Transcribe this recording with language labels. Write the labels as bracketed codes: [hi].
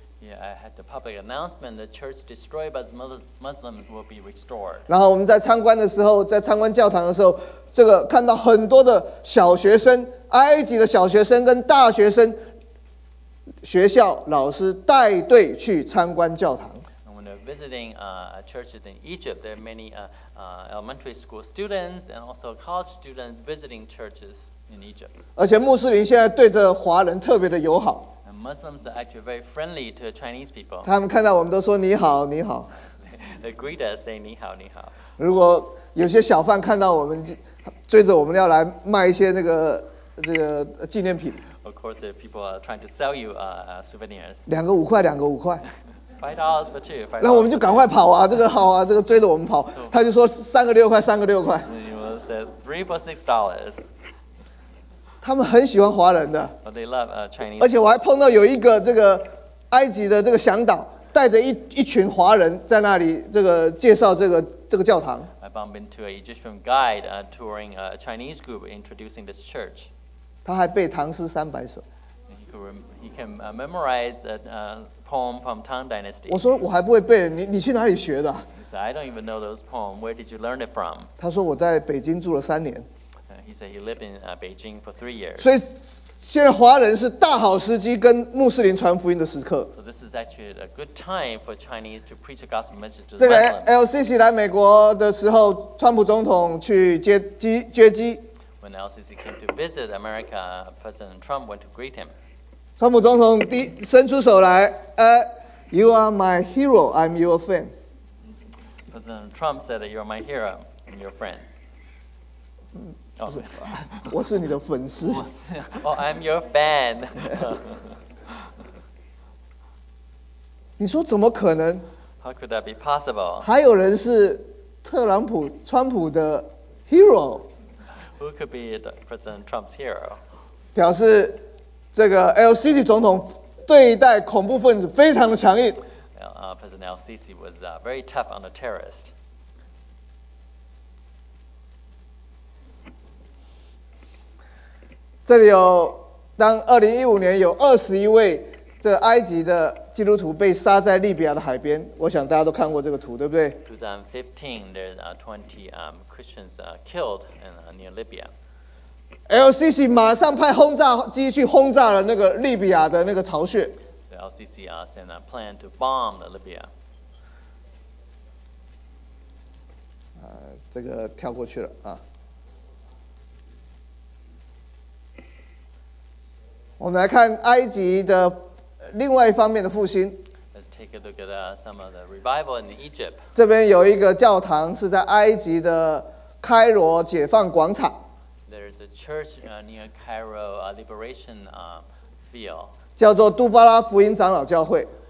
[en] Yeah, I had the public announcement the church destroyed by the Muslims will be restored. [zh] 然后我们在参观的时候，在参观教堂的时候，这个看到很多的小学生，埃及的小学生跟大学生。学校老师带队去参观教堂。 [en] And when they're visiting churches in Egypt, there are many elementary school students and also college students visiting churches in Egypt. [zh] 而且穆斯林现在对着华人特别的友好。 [en] And Muslims are actually very friendly to Chinese people. [zh] 他们看到我们都说你好，你好。 [en] They greet us, say [zh] 你好，你好。如果有些小贩看到我们追着我们要来卖一些那个这个纪念品。 [en] Of course, if people are trying to sell you souvenirs. [zh] 两个五块，两个五块。 [en] $5 for two. [zh] 然后我们就赶快跑啊！这个好啊，这个追着我们跑。他就说三个六块，三个六块。 [en] He said $3 for $6. [zh] 他们很喜欢华人的。 [en] But they love Chinese. [zh] 而且我还碰到有一个这个埃及的这个向导，带着一群华人在那里这个介绍这个教堂。 [en] I bumped into an Egyptian guide touring a Chinese group introducing this church. [zh] 他还背唐诗三百首。 [en] He can memorize a poem from Tang Dynasty. [zh] 我说我还不会背，你去哪里学的 [en] ？He said, I don't even know those poems. Where did you learn it from? [zh] 他说我在北京住了三年。 [en] He said he lived in Beijing for 3 years. [zh] 所以现在华人是大好时机，跟穆斯林传福音的时刻。 [en] So this is actually a good time for Chinese to preach a gospel message to the world. [zh] 这个 LCC 来美国的时候，川普总统去接机。 [en] When LCC came to visit America, President Trump went to greet him. [zh] 川普总统伸出手来， [en] you are my hero, I'm your fan. President Trump said that you are my hero, I'm your friend. [zh] 我是你的粉丝。 [en] Oh, I'm your fan. [zh] 你说怎么可能？ [en] How could that be possible? [zh] 还有人是特朗普、川普的 hero。 [en] Who could be the President Trump's hero? [zh] 表示这个 LCC 总统对待恐怖分子非常的强硬。 [en] President LCC was very tough on the terrorist. [zh] 这里有，当2015年有21位这埃及的基督徒被杀在利比亚的海边，我想大家都看过这个图，对不对？ [en] 2015, there are 20 Christians killed in, near Libya. [zh] LCC 马上派轰炸机去轰炸了那个利比亚的那个巢穴。 [en] LCC sent a plan to bomb Libya. [zh] 这个跳过去了啊。我们来看埃及的另外一方面的复兴。 [en] Let's take a look at some of the revival in Egypt. [zh] 这边有一个教堂是在埃及的开罗解放广场。 [en] There is a church near Cairo Liberation Field. [zh] 叫做杜巴拉福音长老教会。